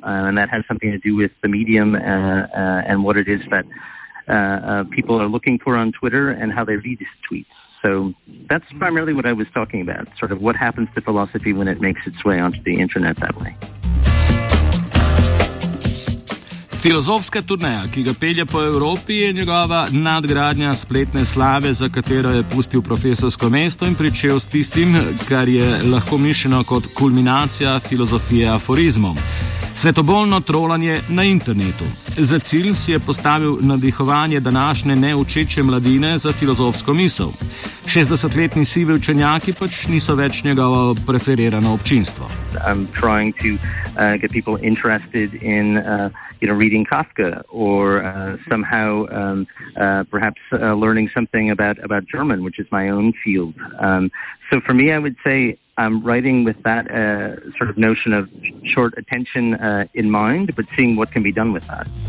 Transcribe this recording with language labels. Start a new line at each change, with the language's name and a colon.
English: And that has something to do with the medium and what it is that people are looking for on Twitter and how they read tweets. So that's primarily what I was talking about, sort of what happens to philosophy when it makes its way onto the internet that way.
Slovenian: Filozofska turneja, ki ga pelje po Evropi, je njegova nadgradnja spletne slave, za katero je pustil profesorsko mesto in pričel s tistim, kar je lahko mišljeno kot kulminacija filozofije aforizmov. Svetobolno trolanje na internetu. Za cilj si je postavil nadihovanje današnje neučeče mladine za filozofsko misel. 60-letni sivi učenjaki pač niso več njegovo preferirano občinstvo.
English: I'm trying to get people interested in reading Kafka or somehow perhaps learning something about German, which is my own field. So for me, I would say I'm writing with that sort of notion of short attention in mind, but seeing what can be done with that.